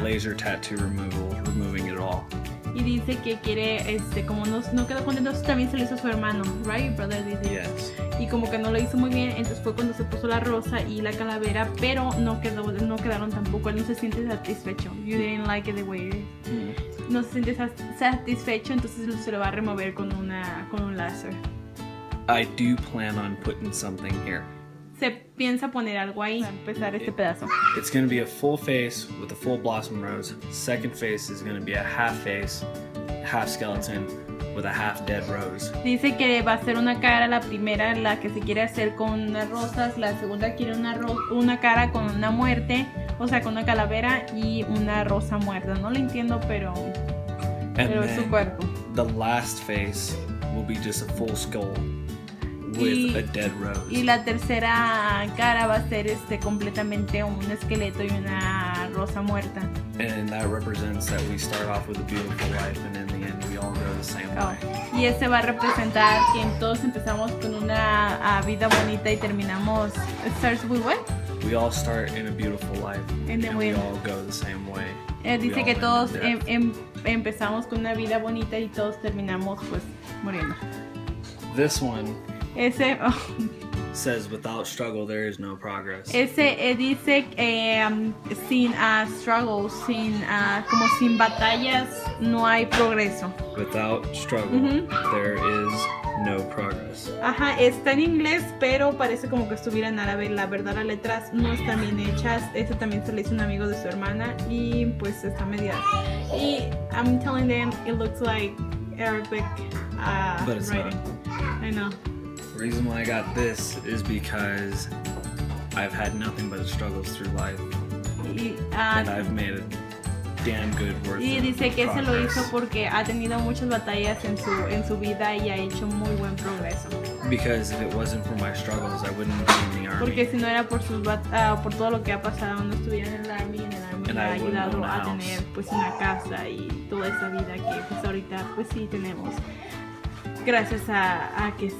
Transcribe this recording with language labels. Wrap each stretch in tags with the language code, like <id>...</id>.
<en>A laser tattoo removal, removing it all.</en> <es>Y dice que quiere, como no quedó contento, también se lo hizo a su hermano, right?</es> <en>Your brother did it. Yes.</en> <es>Y como que no lo hizo muy bien, entonces fue cuando se puso la rosa y la calavera, pero no quedaron tampoco. Él no se siente satisfecho.</es> <en>You didn't like it the way it is. Mm-hmm.</en> <es>No se siente satisfecho, entonces se lo va a remover con un láser.</es> <en>I do plan on putting something here.</en> <es>Se piensa poner algo ahí, empezar este pedazo.</es> <en>It's going to be a full face with a full blossom rose. Second face is going to be a half face, half skeleton with a half dead rose.</en> <es>Dice que va a ser una cara, la primera la que se quiere hacer con unas rosas, la segunda quiere una cara con una muerte, o sea, con una calavera y una rosa muerta. No lo entiendo, pero es su cuerpo.</es> <en>The last face will be just a full skull. With a dead rose.</en> <es>Y la tercera cara va a ser completamente un esqueleto y una rosa muerta.</es> <en>And that represents that we start off with a beautiful life and in the end we all go the same way.</en> <es>Y ese va a representar que todos empezamos con una vida bonita y terminamos.</es> <en>It starts with what? We all start in a beautiful life and then we all go the same way.</en> <es>Dice que todos empezamos con una vida bonita y todos terminamos muriendo.</es> <en>This one.</en> <es>Ese</es> <en>says without struggle there is no progress.</en> <es>Ese dice sin struggle, como sin batallas no hay progreso.</es> <en>Without struggle mm-hmm. there is no progress.</en> <es>Ajá, está en inglés, pero parece como que estuviera en árabe. La verdad, las letras no están bien hechas. Este también se le hizo un amigo de su hermana y pues está media.</es> <en>Y I'm telling them it looks like Arabic but it's writing. Not. I know. The reason why I got this is because I've had nothing but struggles through life, and I've made a damn good work.</en> <es>Y dice que se lo hizo porque ha tenido muchas batallas en su vida y ha hecho muy buen progreso.</es> <en>Because if it wasn't for my struggles, I wouldn't be in the army.</en> <es>Porque si no era por sus por todo lo que ha pasado, no estuviera en el army.</es> <en>And</en> <es>ha ayudado a tener una casa y toda esa vida que ahorita sí tenemos gracias a que</es>